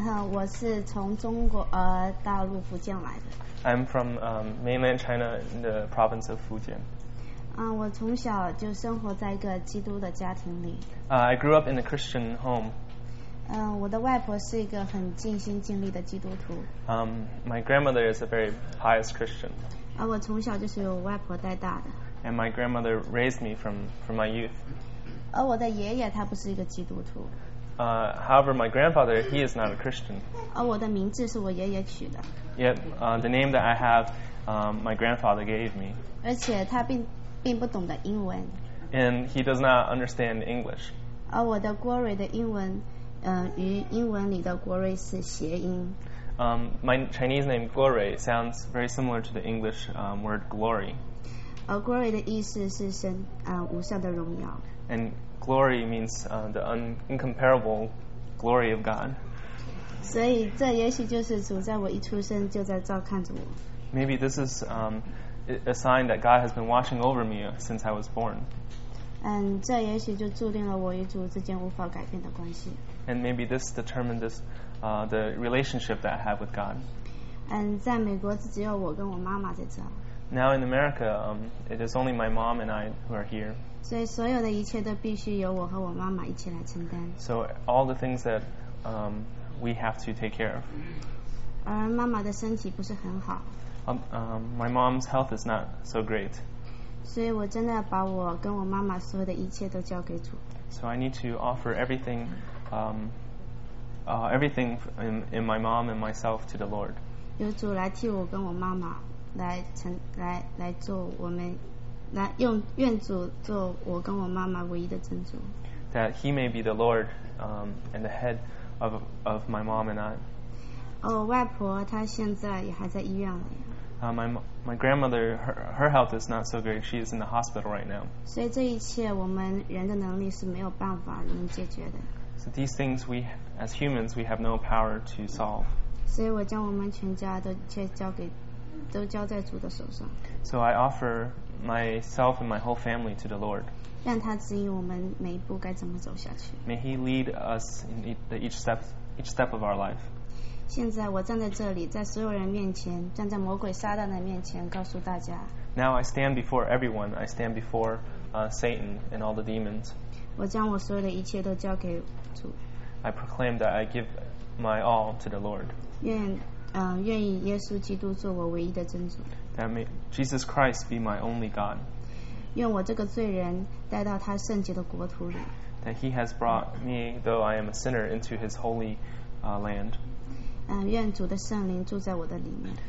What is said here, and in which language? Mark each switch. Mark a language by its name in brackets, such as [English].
[Chinese] 我是从中国大陆福建来的。 [English] I'm from mainland China in the province of Fujian. [Chinese] 我从小就生活在一个基督的家庭里。 [English] I grew up in a Christian home. [Chinese] 我的外婆是一个很尽心尽力的基督徒。 [English] My grandmother is a very pious Christian. [Chinese] 我从小就是由外婆带大的。 [English] And my grandmother raised me from my youth. [Chinese] 而我的爷爷他不是一个基督徒。 [English] However, my grandfather, he is not a Christian. [Chinese] 而我的名字是我爷爷取的。 [English] Yet, the name that I have, my grandfather gave me. [Chinese] 而且他并不懂得英文。 [English] And he does not understand English. [Chinese] 而我的郭瑞的英文，与英文里的郭瑞是谐音。 [English] My Chinese name, 郭瑞, sounds very similar to the English word glory. [Chinese] 而郭瑞的意思是神无上的荣耀。 [English] And glory means the incomparable glory of God. [Chinese] 所以这也许就是主在我一出生就在照看着我。 [English] Maybe this is a sign that God has been watching over me since I was born. [Chinese] 这也许就注定了我与主之间无法改变的关系。 [English] And maybe this determined this the relationship that I have with God. [Chinese] 在美国只有我跟我妈妈在这。 [English] Now in America, it is only my mom and I who are here. [Chinese] 所以所有的一切都必须由我和我妈妈一起来承担。 [English] So all the things that we have to take care of. [Chinese] 而妈妈的身体不是很好。 [English] My mom's health is not so great. [Chinese] 所以我真的把我跟我妈妈所有的一切都交给主。 [English] So I need to offer everything, everything in my mom and myself to the Lord. [Chinese] 由主来替我跟我妈妈。来做我们，来用愿主做我跟我妈妈唯一的真主。 [English] That he may be the Lord, and the head of my mom and I. [Chinese] 外婆她现在也还在医院里。 [English] My grandmother, her health is not so great. She is in the hospital right now. [Chinese] 所以这一切我们人的能力是没有办法能解决的。 [English] So these things we, as humans, we have no power to solve. [Chinese] 所以我将我们全家的一切交给。都交在主的手上。 [English] So I offer myself and my whole family to the Lord. [Chinese] 让他指引我们每一步该怎么走下去。 [English] May He lead us in each step of our life. [Chinese] 现在我站在这里，在所有人面前，站在魔鬼撒旦的面前，告诉大家。 [English] Now I stand before everyone. I stand before Satan and all the demons. [Chinese] 我将我所有的一切都交给主。 [English] I proclaim that I give my all to the Lord. [Chinese] 愿意耶稣基督做我唯一的真主。 [English] That may Jesus Christ be my only God. [Chinese] 愿我这个罪人带到他圣洁的国土里。 [English] That he has brought me, though I am a sinner, into his holy, land. [Chinese] 愿主的圣灵住在我的里面。